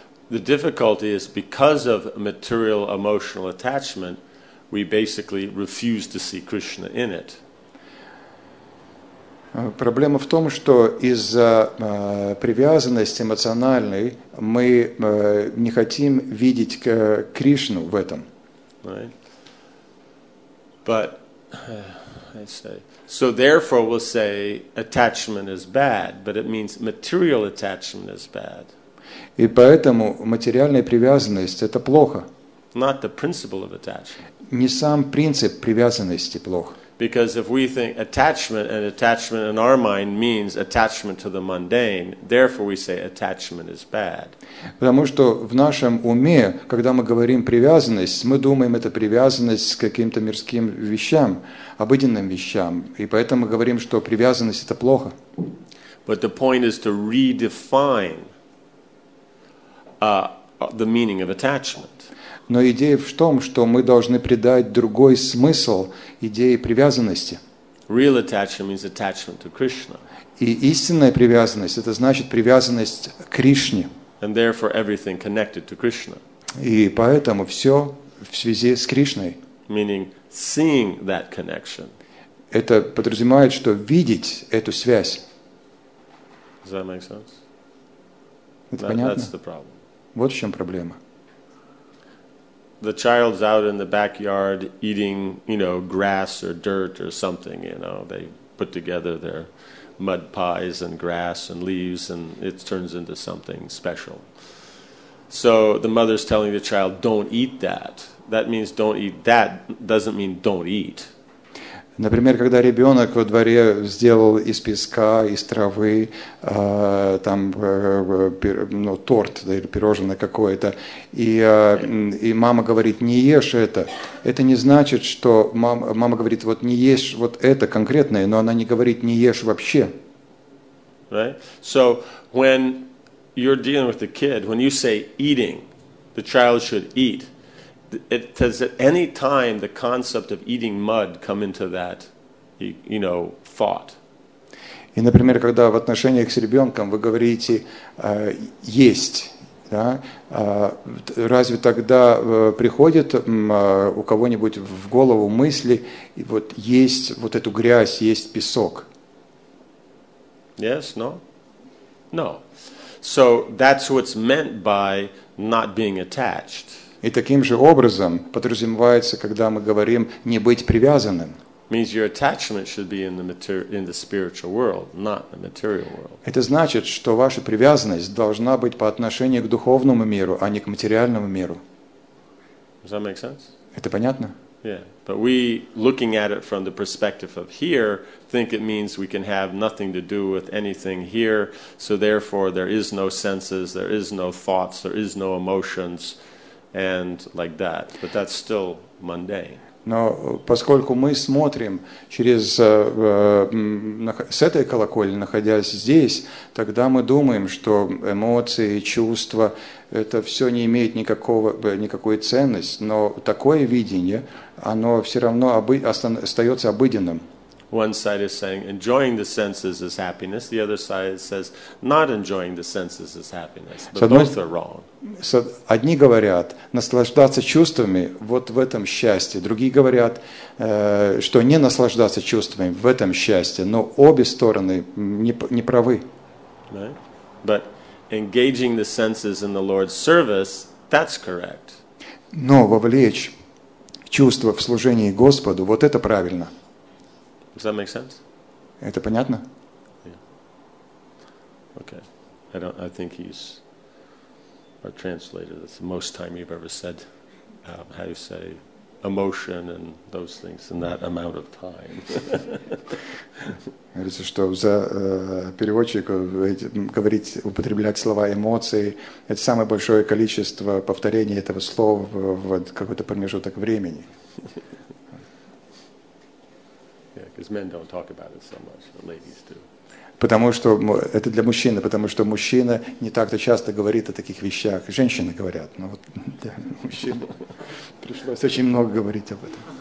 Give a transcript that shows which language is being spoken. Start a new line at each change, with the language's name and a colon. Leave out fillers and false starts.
English: The difficulty is because of material emotional attachment, we basically refuse to see Krishna in it.
Russian: Проблема в том, что из-за привязанности эмоциональной мы не хотим видеть Кришну в этом.
English: right? But I say, so therefore we'll say attachment is bad, but it means material attachment is bad.
Russian: И поэтому материальная привязанность – это плохо.
English: Not the principle of attachment.
Russian: Не сам принцип привязанности плох.
English: Because if we think attachment, and attachment in our mind means attachment to the mundane, therefore we say attachment is bad.
Russian: Потому что в нашем уме, когда мы говорим привязанность, мы думаем это привязанность к каким-то мирским вещам, обыденным вещам, и поэтому мы говорим, что привязанность это плохо.
English: But the point is to redefine the meaning of attachment.
Russian: Но идея в том, что мы должны придать другой смысл идее привязанности.
English: Real attachment means attachment to Krishna.
Russian: И истинная привязанность – это значит привязанность к Кришне.
English: And therefore everything connected to Krishna.
Russian: И поэтому все в связи с Кришной.
English: Meaning seeing that connection.
Russian: Это подразумевает, что видеть эту связь.
English: Does that make sense?
Russian: Это понятно?
English: That's the problem.
Russian: Вот в чем проблема.
English: The child's out in the backyard eating, you know, grass or dirt or something, you know. They put together their mud pies and grass and leaves and it turns into something special. So the mother's telling the child, don't eat that. That means don't eat that doesn't mean don't eat.
Russian: Например, когда ребенок во дворе сделал из песка, из травы торт или пирожное какое-то, и мама говорит, не ешь это не значит, что мама говорит, вот не ешь вот это конкретное, но она не говорит, не ешь вообще.
English: Right? So, when you're dealing with the kid, when you say eating, the child should eat. It does at any time the concept of eating mud come into that, you know, thought.
Russian: И, например, когда в отношениях с ребенком вы говорите есть, да, разве тогда приходит у кого-нибудь в голову мысли вот есть вот эту грязь, есть песок?
English: Yes, no, no. So that's what's meant by not being attached.
Russian: И таким же образом подразумевается, когда мы говорим «не быть привязанным».
English: Means your attachment should be in the spiritual world, not the material world.
Russian: Это значит, что ваша привязанность должна быть по отношению к духовному миру, а не к материальному миру.
English: Does that make sense?
Russian: Это понятно?
English: Yeah. But we, looking at it from the perspective of here, think it means we can have nothing to do with anything here, so therefore there is no senses, there is no thoughts, there is no emotions. And like that, but that's still mundane.
Russian: Но поскольку мы смотрим через с этой колокольни, находясь здесь, тогда мы думаем, что эмоции, чувства, это все не имеет никакой ценности. Но такое видение, оно все равно остается обыденным.
English: One side is saying enjoying the senses is happiness. The other side says not enjoying the senses is happiness. But both are wrong.
Russian: Одни говорят наслаждаться чувствами вот в этом счастье. Другие говорят, что не наслаждаться чувствами в этом счастье. Но обе стороны не правы.
English: But engaging the senses in the Lord's service, that's correct.
Russian: Но вовлечь чувства в служении Господу, вот это правильно.
English: Does that make sense?
Russian: Это понятно?
English: Yeah. Okay. I think he's our translator. That's the most time you've ever said how you say emotion and those things in that amount of time.
Russian: Говорится, что за переводчика говорить, употреблять слова эмоции, это самое большое количество повторений этого слова в какой-то промежуток времени.
English: Because men don't talk about it so much, but ladies do.
Russian: Потому что это для мужчины, потому что мужчина не так-то часто говорит о таких вещах. Женщины говорят, но вот для мужчин пришлось очень много говорить об этом.